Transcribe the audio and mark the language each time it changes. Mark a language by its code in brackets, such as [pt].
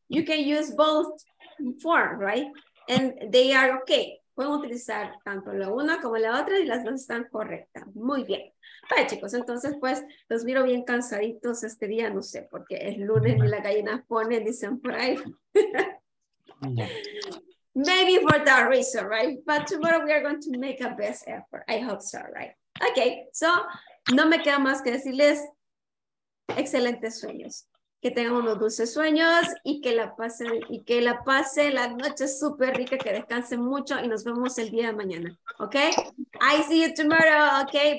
[en] You can use both forms, right? And they are okay. [es] Pueden utilizar tanto la una como la otra y las dos están correctas. Muy bien. Vale, chicos, entonces pues los miro bien cansaditos este día, no sé, porque es lunes y la gallina pone, dicen por ahí. [en] Maybe for that reason, right? But tomorrow we are going to make a best effort. I hope so, right? [es] Okay, so no me queda más que decirles excelentes sueños, que tengan unos dulces sueños y que la pasen la noche súper rica, que descansen mucho y nos vemos el día de mañana, okay? [en] I see you tomorrow, [es] okay?